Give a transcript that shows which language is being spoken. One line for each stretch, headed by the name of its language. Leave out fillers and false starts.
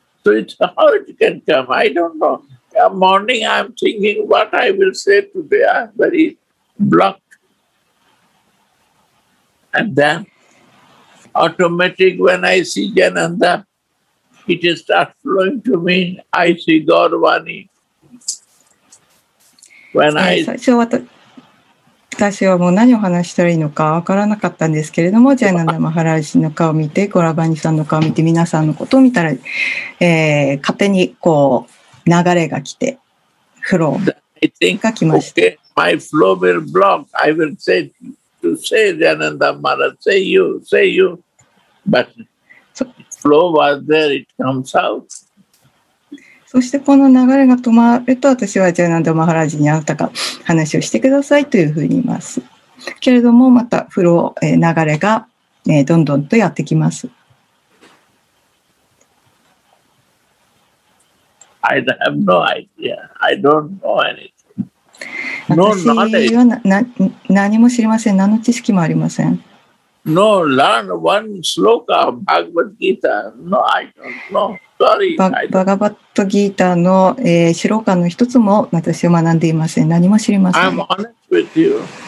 English: So it's how it can come, I don't know. The morning I'm thinking what I will say today, I'm very blocked. And then, automatic when I see Jananda, it is start flowing to me, I see Gaurvani. When I...
Japanese: 私はもう何を話したらいいのか分からなかったんですけれども、ジャイナンダ・マハラージの顔を見て、ゴラバニさんの顔を見て、皆さんのことを見たら、勝手にこう流れが来て、フローが来ました。
English: My flow will block. I will say to say, ジャイナンダ・マハラージ、say you, say you. But flow was there, it comes out.
Japanese: そしてこの流れが止まると、私はジャイナンダ・マハラージにあなたが話をしてくださいというふうに言います。けれども、また風呂、流れが、どんどんとやってきます。
English: I have no idea. I don't know anything.
Japanese: 私は何も知りません。何の知識もありません。
English: No, learn one sloka of Bhagavad Gita. No, I don't know.
Japanese: バガバットギーターの、シロカの一つも私は学んでいません。何も知りません。
English: I'm honest with you.